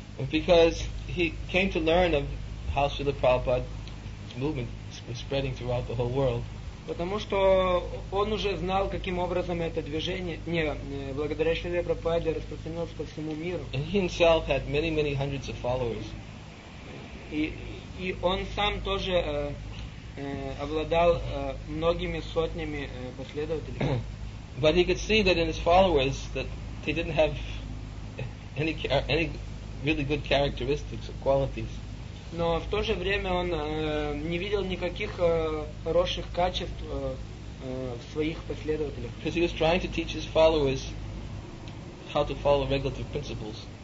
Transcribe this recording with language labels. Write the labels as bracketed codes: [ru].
[en] Because he came to learn of how Srila Prabhupada's movement was spreading throughout the whole world. [ru] Потому что он уже знал, каким образом это движение, благодаря Шриле Прабхупаде распространилось по всему миру. [en] And he himself had many, many hundreds of followers. [ru] И он сам тоже обладал многими сотнями последователей. [en] But he could see that in his followers that they didn't have any really good characteristics or qualities. [ru] Но в то же время он не видел никаких хороших качеств в своих последователях. [en] Because he was trying to teach his followers how to follow regulative principles.